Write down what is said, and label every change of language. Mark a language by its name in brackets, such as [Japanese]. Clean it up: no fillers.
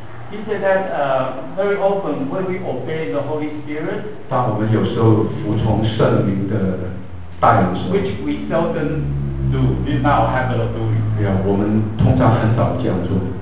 [English] He said that very often when we obey the Holy Spirit, [Chinese] 当我们有时候服从圣灵的带领时 [English] ，which we seldom do, we now have a doing. [Chinese] Yeah, 我们通常很少这样做。